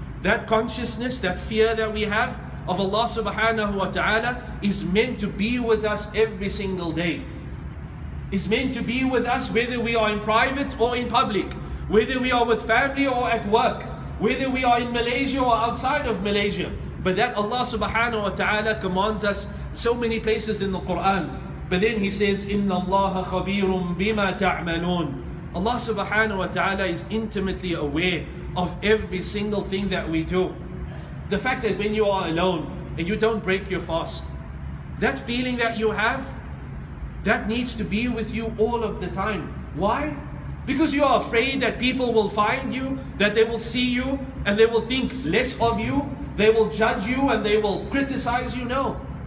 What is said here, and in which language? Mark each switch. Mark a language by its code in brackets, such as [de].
[en] That consciousness, that fear that we have of Allah subhanahu wa ta'ala, is meant to be with us every single day. Is meant to be with us whether we are in private or in public, whether we are with family or at work, whether we are in Malaysia or outside of Malaysia. But that Allah subhanahu wa ta'ala commands us so many places in the Quran. But then he says, [ar] إِنَّ اللَّهَ خَبِيرٌ بِمَا تَعْمَلُونَ. [en] Allah subhanahu wa ta'ala is intimately aware of every single thing that we do. The fact that when you are alone and you don't break your fast, that feeling that you have, that needs to be with you all of the time. Why? Because you are afraid that people will find you, that they will see you, and they will think less of you, they will judge you, and they will criticize you. No.